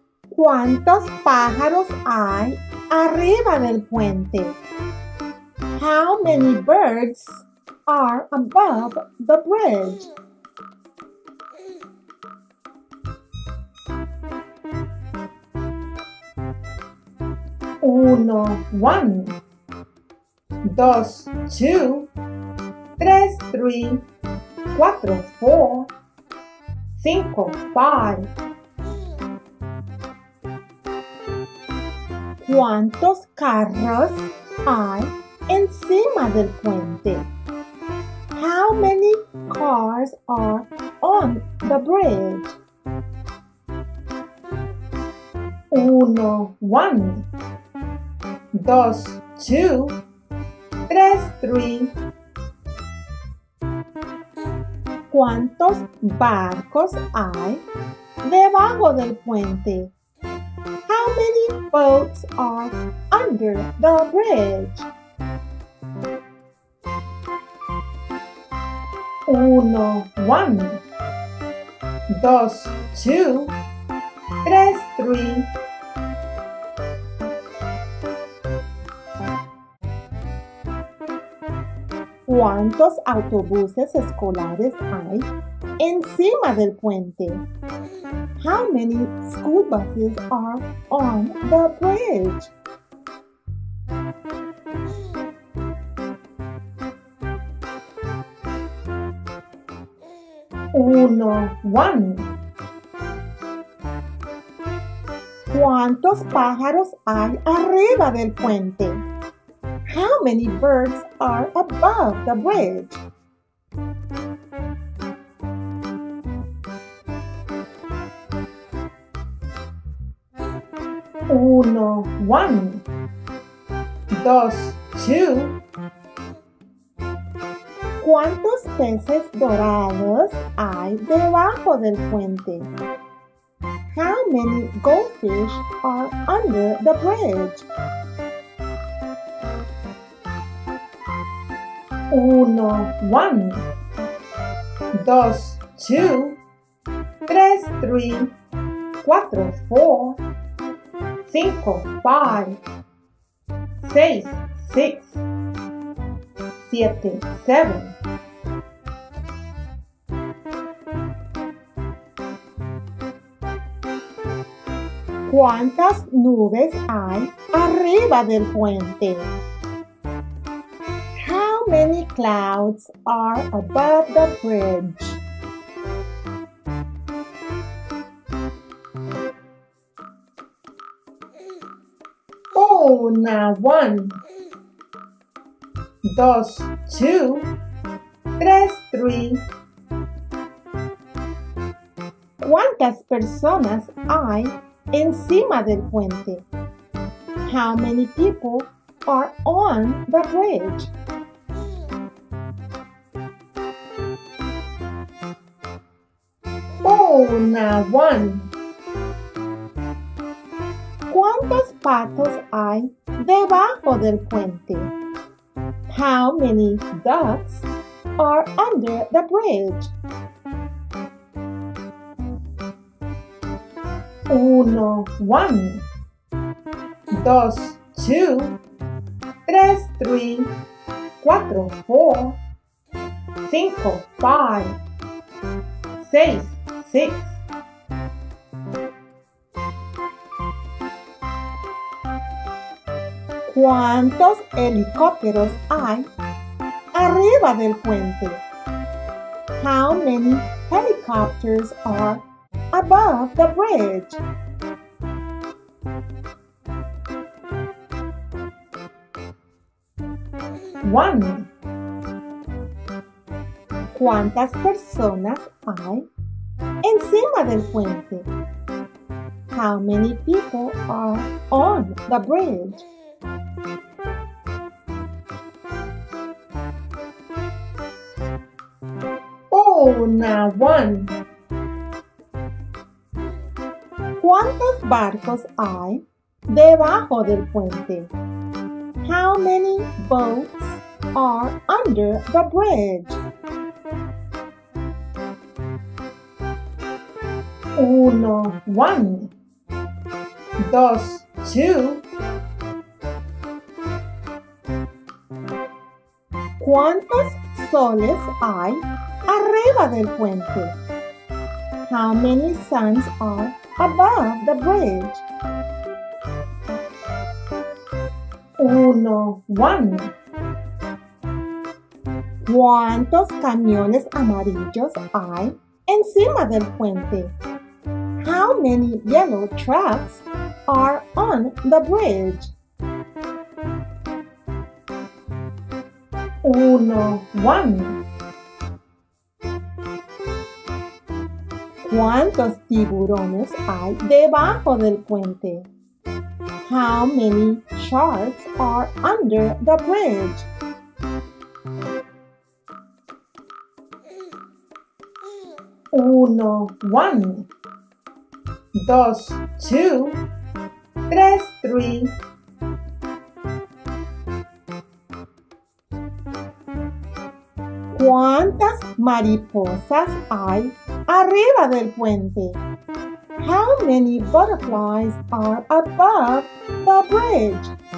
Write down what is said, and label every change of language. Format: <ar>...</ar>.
<es>¿Cuántos pájaros hay arriba del puente?</es> <en>How many birds are above the bridge?</en> <es>Uno,</es> <en>one.</en> <es>Dos,</es> <en>two.</en> <es>Tres,</es> <en>three.</en> <es>Cuatro,</es> <en>four.</en> <es>Cinco,</es> <en>five.</en> <es>¿Cuántos carros hay encima del puente?</es> <en>How many cars are on the bridge?</en> <es>Uno,</es> <en>one.</en> <es>Dos,</es> <en>two.</en> <es>Tres,</es> <en>three.</en> <es>¿Cuántos barcos hay debajo del puente?</es> <en>How many boats are under the bridge?</en> <es>Uno,</es> <en>one.</en> <es>Dos,</es> <en>two.</en> <es>Tres,</es> <en>three.</en> <es>¿Cuántos autobuses escolares hay encima del puente?</es> <en>How many school buses are on the bridge?</en> <es>Uno,</es> <en>one.</en> <es>¿Cuántos pájaros hay arriba del puente?</es> <en>How many birds are above the bridge?</en> <es>Uno,</es> <en>one.</en> <es>Dos,</es> <en>two.</en> <es>¿Cuántos peces dorados hay debajo del puente?</es> <en>How many goldfish are under the bridge?</en> <es>Uno,</es> <en>one.</en> <es>Dos,</es> <en>two.</en> <es>Tres,</es> <en>three.</en> <es>Cuatro,</es> <en>four.</en> <es>Cinco,</es> <en>five.</en> <es>Seis,</es> <en>six.</en> <es>Siete,</es> <en>seven.</en> <es>¿Cuántas nubes hay arriba del puente?</es> <en>How many clouds are above the bridge?</en> <es>Una,</es> <en>one.</en> <es>Dos,</es> <en>two.</en> <es>Tres,</es> <en>three.</en> <es>¿Cuántas personas hay encima del puente?</es> <en>How many people are on the bridge?</en> <es>Una,</es> <en>one.</en> <es>¿Cuántos patos hay debajo del puente?</es> <en>How many ducks are under the bridge?</en> <es>Uno,</es> <en>one.</en> <es>Dos,</es> <en>two.</en> <es>Tres,</es> <en>three.</en> <es>Cuatro,</es> <en>four.</en> <es>Cinco,</es> <en>five.</en> <es>Seis,</es> <en>six.</en> <es>¿Cuántos helicópteros hay arriba del puente?</es> <en>How many helicopters are above the bridge? One.</en> <es>¿Cuántas personas hay encima del puente?</es> <en>How many people are on the bridge?</en> <es>Una,</es> <en>one.</en> <es>¿Cuántos barcos hay debajo del puente?</es> <en>How many boats are under the bridge?</en> <es>Uno,</es> <en>one.</en> <es>Dos,</es> <en>two.</en> <es>¿Cuántos soles hay arriba del puente?</es> <en>How many suns are above the bridge?</en> <es>Uno,</es> <en>one.</en> <es>¿Cuántos camiones amarillos hay encima del puente?</es> <en>How many yellow trucks are on the bridge?</en> <es>Uno,</es> <en>one.</en> <es>¿Cuántos tiburones hay debajo del puente?</es> <en>How many sharks are under the bridge?</en> <es>Uno,</es> <en>one.</en> <es>Dos,</es> <en>two.</en> <es>Tres,</es> <en>three.</en> <es>¿Cuántas mariposas hay arriba del puente?</es> <en>How many butterflies are above the bridge?</en>